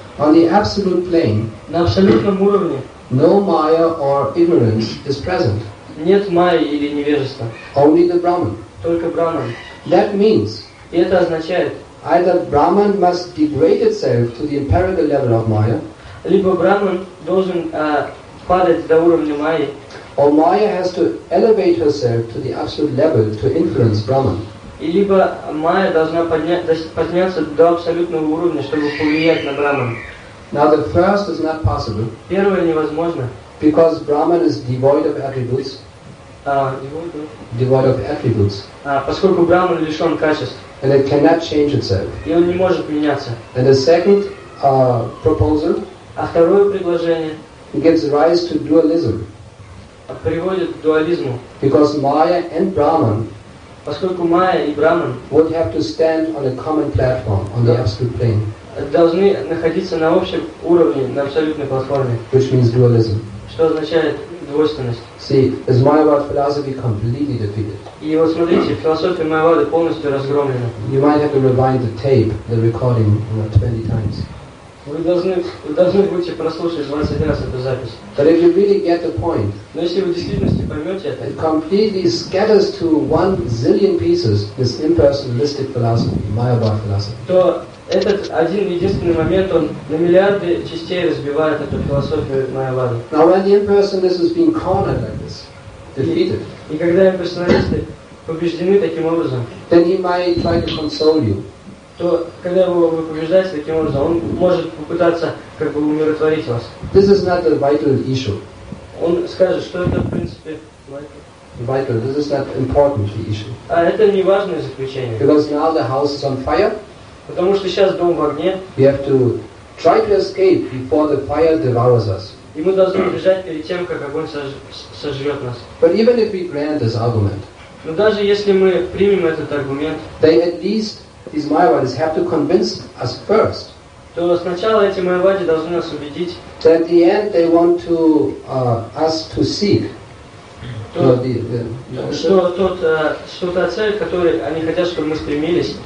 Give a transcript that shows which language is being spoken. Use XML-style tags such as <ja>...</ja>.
<en>On the absolute plane,</en> <ru>на абсолютном уровне,</ru> <en>no maya or ignorance is present.</en> <ru>Нет майи или невежества.</ru> <en>Only the brahman.</en> <ru>Только брахман.</ru> <en>That means,</en> <ru>и это означает,</ru> <en>either brahman must degrade itself to the imperative level of maya,</en> <ru>либо брахман должен падать до уровня майи,</ru> <en>or maya has to elevate herself to the absolute level to influence brahman.</en> <ru>И либо майя должна подняться до абсолютного уровня, чтобы повлиять на брахман.</ru> <en>Now the first is not possible.</en> <ru>Первое невозможно.</ru> <en>Because brahman is devoid of attributes. Devoid of attributes.</en> <ru>Поскольку брахман лишён качеств.</ru> <en>And it cannot change itself.</en> <ru>И он не может меняться.</ru> <en>And the second proposal.</en> <ru>А второе предложение.</ru> <en>Gives rise to dualism.</en> <ru>Приводит к дуализму.</ru> <en>Because maya and brahman.</en> <ru>Поскольку майя и брахман</ru> <en>would have to stand on a common platform on the absolute plane.</en> <ru>Должны находиться на общем уровне, на абсолютной платформе.</ru> <en>Which means dualism.</en> <ru>Что означает двойственность?</ru> <en>See, is Mayavad philosophy completely defeated?</en> <ru>И вот смотрите, философия Майявады полностью разгромлена.</ru> <en>You might have to rewind the tape, the recording, about 20 times.</en> <ru>Вы должны будете прослушать 20 раз эту запись.</ru> <en>But if you really get the point,</en> <ru>но если вы в действительности поймете это,</ru> <en>it completely scatters to one zillion pieces this impersonalistic philosophy, Mayavad philosophy.</en> <ru>То этот один единственный момент, он на миллиарды частей разбивает эту философию Майявады.</ru> <en>Now when the impersonalist is being cornered like this, defeated,</en> <ru>и когда имперсоналисты побеждены таким образом,</ru> <en>then he might try to console you.</en> <ru>То когда вы побеждаете таким образом, он может попытаться как бы умиротворить вас.</ru> <en>This is not a vital issue.</en> <ru>Он скажет, что это в принципе</ru> <en>vital. This is not important issue.</en> <ru>А это не важное заключение.</ru> <en>Because now the house is on fire.</en> <ru>Потому что сейчас дом в огне.</ru> <en>We have to try to escape before the fire devours us.</en> <ru>И мы должны убежать перед тем, как огонь сожжет нас.</ru> <en>But even if we grant this argument,</en> <ru>но даже если мы примем этот аргумент,</ru> <en>they at least, these Mayavadis have to convince us first.</en> <ru>То сначала эти Майявади должны нас убедить.</ru> <en>That at the end they want to us to seek.</en> <ru>Что та цель, к которой они хотят, чтобы мы стремились,</ru>